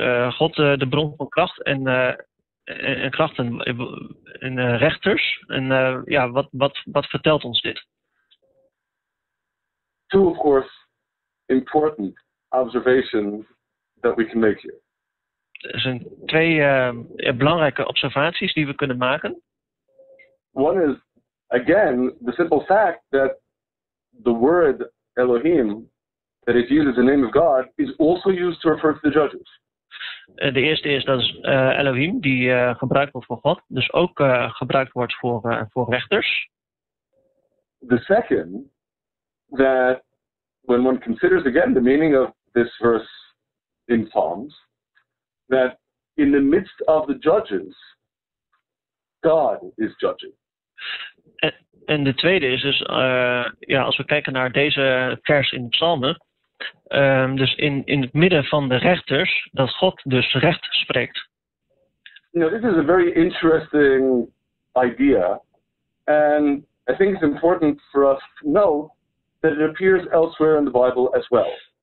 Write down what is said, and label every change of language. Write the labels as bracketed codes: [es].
[nl] God de bron van kracht en krachten en rechters. En wat vertelt ons dit? [en] Two, of course, important observations that we can make here. [nl] Er zijn twee belangrijke observaties die we kunnen maken. [en] One is, again, the simple fact that the word Elohim, that is used as the name of God, is also used to refer to the judges. [nl] De eerste is dat Elohim, die gebruikt wordt voor God, dus ook gebruikt wordt voor rechters. [en] The second, that when one considers again the meaning of this verse in Psalms, that in the midst of the judges, God is judging. [nl] En de tweede is dus, als we kijken naar deze vers in de psalmen, dus in het midden van de rechters, dat God dus recht spreekt. [en] You know, this is a very interesting idea, and I think it's important for us to know that it appears elsewhere in the Bible as well.